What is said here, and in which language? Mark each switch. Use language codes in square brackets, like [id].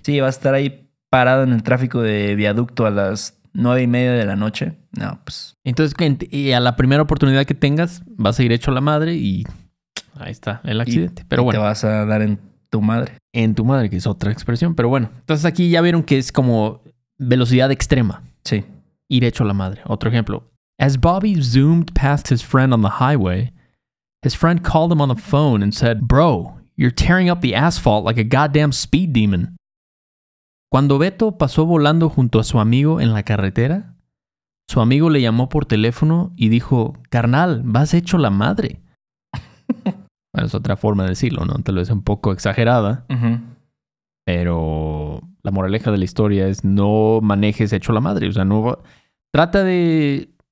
[es] Sí, va a estar ahí parado en el tráfico de viaducto a las 9:30 de la noche. No, pues... Entonces, y a la primera oportunidad que tengas, vas a ir hecho la madre y ahí está el accidente. Pero bueno. Te vas a dar en tu madre. En tu madre, que es otra expresión. Pero bueno, entonces aquí ya vieron que es como velocidad extrema. Sí. Ir hecho la madre. Otro ejemplo. [en] As Bobby zoomed past his friend on the highway, his friend called him on the phone and said, "Bro, you're tearing up the asphalt like a goddamn speed demon." [es] Cuando Beto pasó volando junto a su amigo en la carretera, su amigo le llamó por teléfono y dijo, "Carnal, vas hecho la madre." Bueno, es otra forma de decirlo, ¿no? Tal vez un poco exagerada. Pero la moraleja de la historia es no manejes hecho la madre. O sea, no... Trata de...